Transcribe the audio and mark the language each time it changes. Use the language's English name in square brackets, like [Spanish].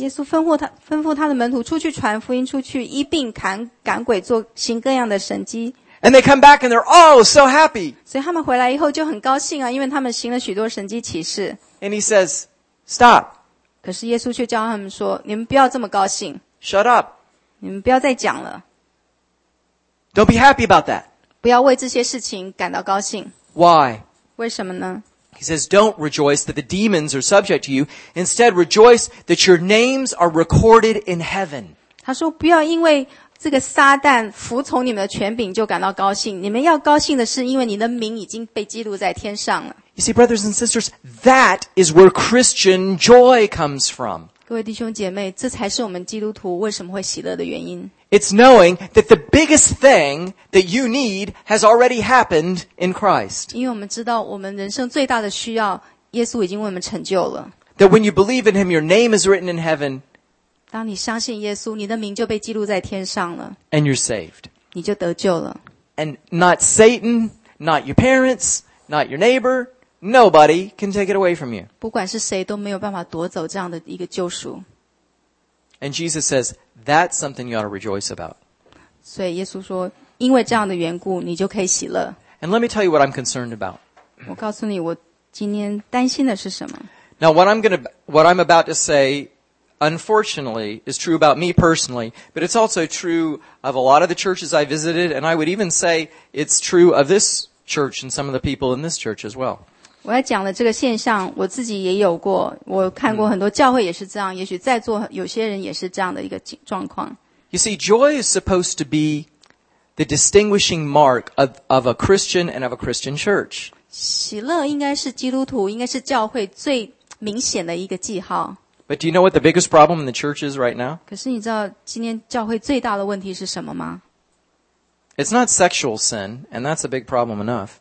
[Chinese] 耶稣吩咐他的门徒出去传福音，出去医病，赶鬼，做行各样的神迹。 [English] And they come back and they're all so happy. [Chinese] 所以他们回来以后就很高兴啊，因为他们行了许多神迹奇事。 [English] And he says, stop. [Chinese] 可是耶稣却教他们说，你们不要这么高兴。 [English] Shut up. [Chinese] 你们不要再讲了。 [English] Don't be happy about that. [Chinese] 不要为这些事情感到高兴。 [English] Why? [Chinese] 为什么呢? [English] He says, don't rejoice that the demons are subject to you. Instead, rejoice that your names are recorded in heaven. [Chinese] 他说不要因为这个撒旦服从你们的权柄就感到高兴。你们要高兴的是因为你的名已经被记录在天上了。 [English] You see, brothers and sisters, that is where Christian joy comes from. [Chinese] 各位弟兄姐妹，这才是我们基督徒为什么会喜乐的原因。 [English] It's knowing that the biggest thing that you need has already happened in Christ. [Chinese] 因为我们知道我们人生最大的需要，耶稣已经为我们成就了。 [English] That when you believe in Him, your name is written in heaven. [Chinese] 当你相信耶稣，你的名就被记录在天上了。 [English] And you're saved. [Chinese] 你就得救了。 [English] And not Satan, not your parents, not your neighbor. Nobody can take it away from you. [Chinese] 不管是谁都没有办法夺走这样的一个救赎。 [English] And Jesus says, that's something you ought to rejoice about. [Chinese] 所以耶稣说，因为这样的缘故，你就可以喜乐。 [English] And let me tell you what I'm concerned about. [Chinese] 我告诉你，我今天担心的是什么。 [English] Now what I'm about to say, unfortunately, is true about me personally, but it's also true of a lot of the churches I visited, and I would even say it's true of this church and some of the people in this church as well. [Chinese] 我要讲的这个现象我自己也有过我看过很多教会也是这样也许在座有些人也是这样的一个状况。 [English] You see, joy is supposed to be the distinguishing mark of a Christian and of a Christian church. [Chinese] 喜乐应该是基督徒应该是教会最明显的一个记号。 [English] But do you know what the biggest problem in the church is right now? [Chinese] 可是你知道今天教会最大的问题是什么吗? [English] It's not sexual sin, and that's a big problem enough.